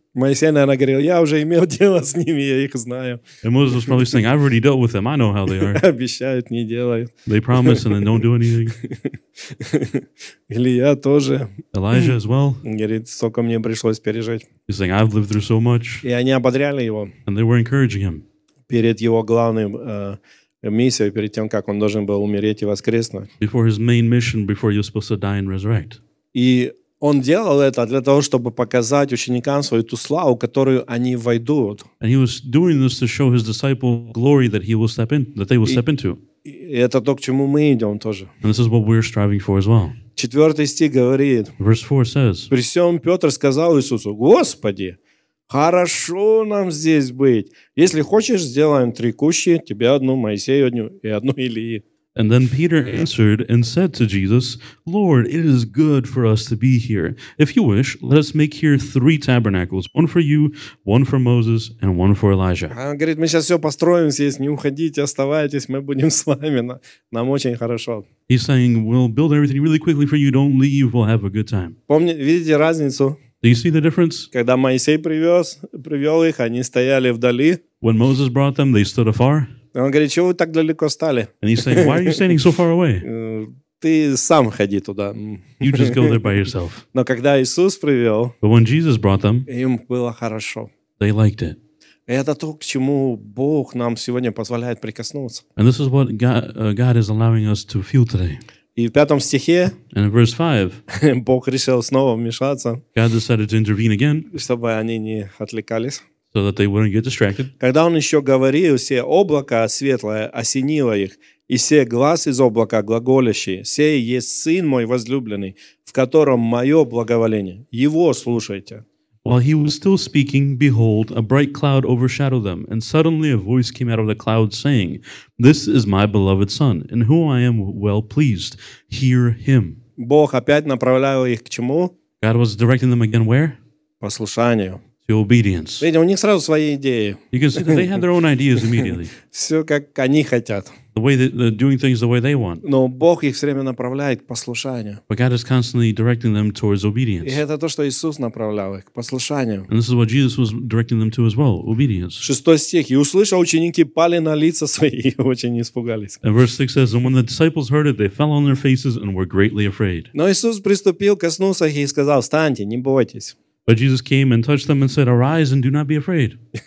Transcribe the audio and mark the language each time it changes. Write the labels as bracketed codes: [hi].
[ru] Моисей, наверное, говорил, я уже имел дело с ними, я их знаю. [en] And Moses was probably saying, I've already dealt with them, I know how they are. [ru] Обещают, не делают. [en] They promise and then don't do anything. [ru] Илия тоже. [en] Elijah as well. [ru] Говорит, столько мне пришлось пережить. [en] He's saying, I've lived through so much. [ru] И они ободряли его. [en] And they were encouraging him. [ru] Перед его главным миссией, перед тем, как он должен был умереть и воскреснуть. [en] Before his main mission, before he was supposed to die and resurrect. [ru] И он делал это для того, чтобы показать ученикам свою ту славу, которую они войдут. [en] And he was doing this to show his disciples glory that he will step in, that they will step into. [ru] И это то, к чему мы идем тоже. [en] And this is what we're striving for as well. [ru] Четвертый стих говорит. [en] Verse 4 says. [ru] При всем Петр сказал Иисусу, Господи, хорошо нам здесь быть. Если хочешь, сделаем три кущи, тебе одну, Моисею одну и одну Илии. [en] And then Peter answered and said to Jesus, Lord, it is good for us to be here. If you wish, let us make here three tabernacles, one for you, one for Moses, and one for Elijah. [ru] Он говорит, мы сейчас все построим здесь, не уходите, оставайтесь, мы будем с вами, нам очень хорошо. [en] He's saying, we'll build everything really quickly for you, don't leave, we'll have a good time. [ru] Видите разницу? [en] Do you see the difference? [ru] Когда Моисей привел их, они стояли вдали. [en] When Moses brought them, they stood afar. [ru] Он говорит, чего вы так далеко стали? [en] And he's saying, why are you standing so far away? [ru] Ты сам ходи туда. [en] You just go there by yourself. [ru] Но когда Иисус привел, [en] but when Jesus brought them, [ru] им было хорошо. [en] They liked it. [ru] Это то, к чему Бог нам сегодня позволяет прикоснуться. [en] And this is what God is allowing us to feel today. [ru] И в пятом стихе, [en] and in verse 5, [ru] Бог решил снова вмешаться, [en] God decided to intervene again, [ru] чтобы они не отвлекались. [en] So that they wouldn't get distracted. [ru] Когда он еще говорил, все облако светлое осенило их, и все глаз из облака глаголящий, все есть сын мой возлюбленный, в котором мое благоволение. Его слушайте. [en] While he was still speaking, behold, a bright cloud overshadowed them, and suddenly a voice came out of the cloud saying, this is my beloved son, in whom I am well pleased. Hear him. [ru] Бог опять направлял их к чему? [en] God was directing them again where? [ru] Послушанию. [en] To obedience. [ru] Видите, у них сразу свои идеи. [en] You can see that they had their own ideas immediately. [ru] Все как они хотят. [en] The way they're doing things the way they want. [ru] Но Бог их все время направляет к послушанию. [en] But God is constantly directing them towards obedience. [ru] И это то, что Иисус направлял их к послушанию. [en] And this is what Jesus was directing them to as well, obedience. [ru] Шестой стих. И услышав, ученики пали на лица свои и очень испугались. [en] And verse 6 says, and when the disciples heard it, they fell on their faces and were greatly afraid. [ru] Но Иисус приступил, коснулся их и сказал, встаньте, не бойтесь. [en] But Jesus came and touched them and said, arise and do not be afraid.